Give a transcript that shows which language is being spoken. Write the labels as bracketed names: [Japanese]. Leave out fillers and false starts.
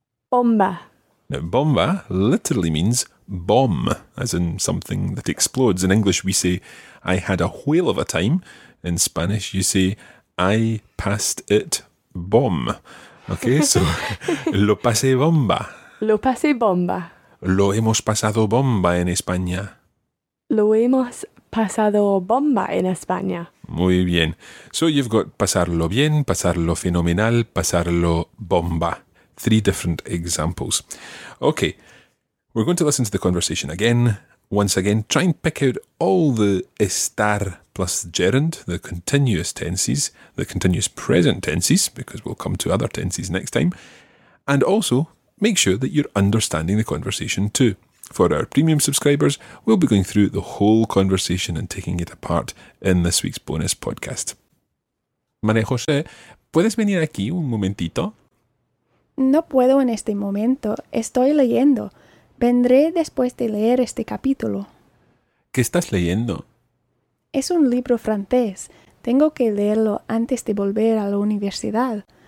[Spanish] Bomba. [English] Now, bomba literally means bomb, as in something that explodes. In English, we say, I had a whale of a time. In Spanish, you say, I passed it bomb. Okay, so, [Spanish] lo pasé bomba. Lo pasé bomba. Lo hemos pasado bomba en España. Lo hemos pasado bomba en España. Muy bien. [English] So you've got [Spanish] pasarlo bien, pasarlo fenomenal, pasarlo bomba. [English] Three different examples. Okay, we're going to listen to the conversation again Once again, try and pick out all the estar plus gerund, the continuous tenses, the continuous present tenses, because we'll come to other tenses next time. And also, make sure that you're understanding the conversation too. For our premium subscribers, we'll be going through the whole conversation and taking it apart in this week's bonus podcast. [Spanish] María José, ¿puedes venir aquí un momentito? No puedo en este momento. Estoy leyendo. Vendré después de leer este capítulo. ¿Qué estás leyendo? Es un libro francés. Tengo que leerlo antes de volver a la universidad.